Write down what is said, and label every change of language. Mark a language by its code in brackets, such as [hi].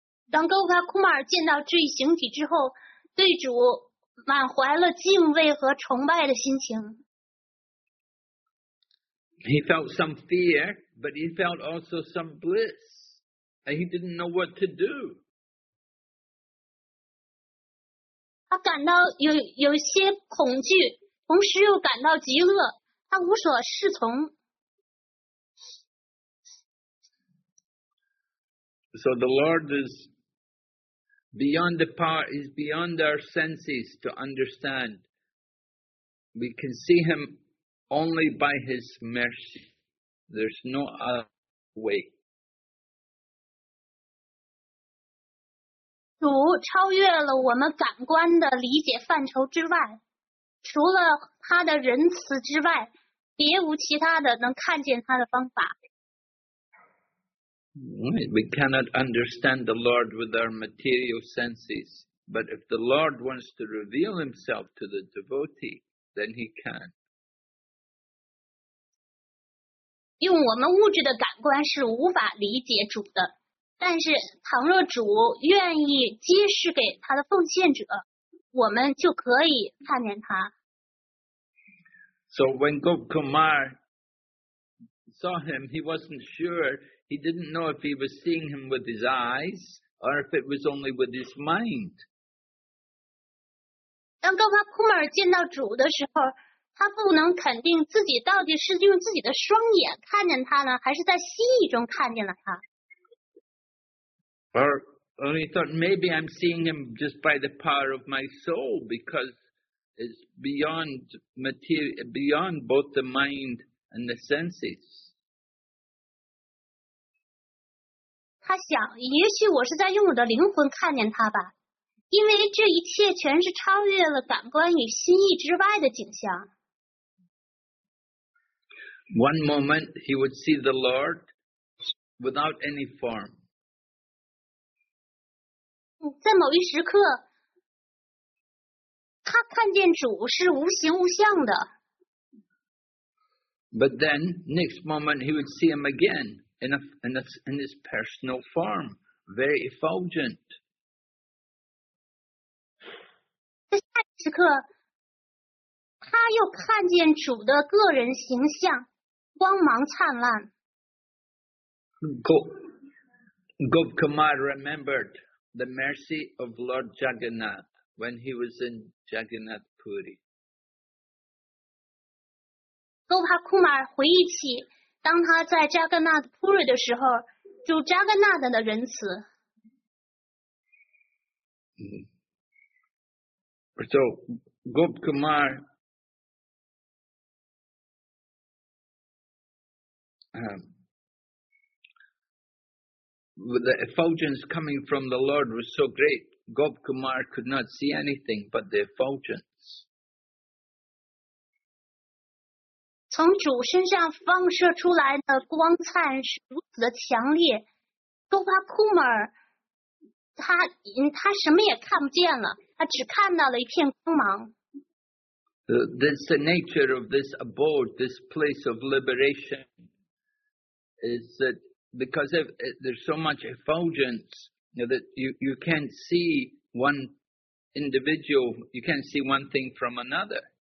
[zh] 当Gopakumar见到这一形体之后，对主满怀了敬畏和崇拜的心情。 [en] He felt some fear, but he felt also some bliss. And he didn't know what to do. [zh] 他感到 有些恐惧，同时又感到极乐，他无所适从。 [en] So the Lord is beyond the power, is beyond our senses to understand. We can see him only by his mercy. There's no other way. [zh] 主超越了我们感官的理解范畴之外，除了他的仁慈之外，别无其他的能看见他的方法。 [en] We cannot understand the Lord with our material senses, but if the Lord wants to reveal himself to the devotee, then he can. [zh] 用我们物质的感官是无法理解主的，但是倘若主愿意揭示给他的奉献者，我们就可以看见他。 [en] So when Gop Kumar saw him, he wasn't sure. He didn't know if he was seeing him with his eyes or if it was only with his mind. [zh] 当 Gop Kumar 见到主的时候，他不能肯定自己到底是用自己的双眼看见他呢，还是在心意中看见了他。 [en] Or he thought, maybe I'm seeing him just by the power of my soul, because it's beyond material, beyond both the mind and the senses. [zh] 他想，也许我是在用我的灵魂看见他吧，因为这一切全是超越了感官与心意之外的景象。 [en] One moment he would see the Lord without any form. [zh] 在某一时刻，他看见主是无形无相的。 [en] But then, next moment, he would see him again in his personal form, very effulgent. [zh] 在下一时刻，他又看见主的个人形象，光芒灿烂。 [en] Gop Kumar remembered the mercy of Lord Jagannath when he was in Jagannath Puri. [zh] Gop Kumar 回忆起当他在 Jagannath Puri 的时候，主 Jagannath 的仁慈。 [en] So Gop Kumar the effulgence coming from the Lord was so great, Gop Kumar could not see anything but the effulgence. [zh] 从主身上放射出来的光灿是如此的强烈， Gop Kumar 他什么也看不见了，他只看到了一片光芒。 [en] That's the nature of this abode, this place of liberation, is that because if there's so much effulgence, you know, that you can't see one individual, you can't see one thing from another.